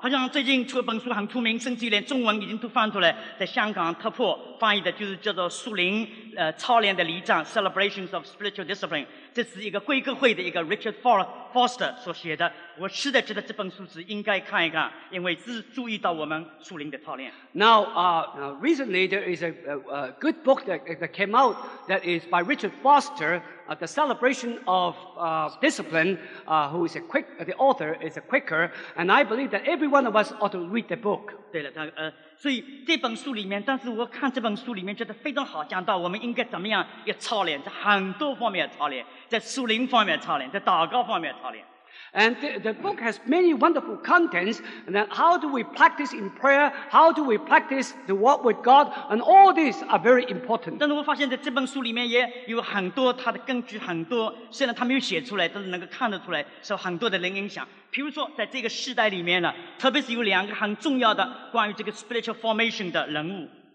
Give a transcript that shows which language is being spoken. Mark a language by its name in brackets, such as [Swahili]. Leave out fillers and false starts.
[Chinese] 好像最近出本书很出名，甚至连中文已经都翻出来，在香港特破翻译的就是叫做《树林操练的礼赞 Celebrations of Spiritual Discipline》。这是一个贵格会的一个 Richard Foster 所写的，我实在觉得这本书是应该看一看，因为是注意到我们属灵的操练。 [English] Now, recently there is a good book that came out that is by Richard Foster, The Celebration of Discipline, who is the author is a Quaker, and I believe that every one of us ought to read the book. [Chinese] 对了，所以这本书里面，但是我看这本书里面觉得非常好，讲到我们应该怎么样要操练，在很多方面操练，在属灵方面操练，在祷告方面操练。 [English] And the book has many wonderful contents, and that how do we practice in prayer, how do we practice the walk with God, and all these are very important. [Chinese] 但是我发现在这本书里面也有很多它的根据，很多虽然它没有写出来，但是能够看得出来受很多的人影响。比如说在这个时代里面呢，特别是有两个很重要的关于这个 spiritual formation 的人物。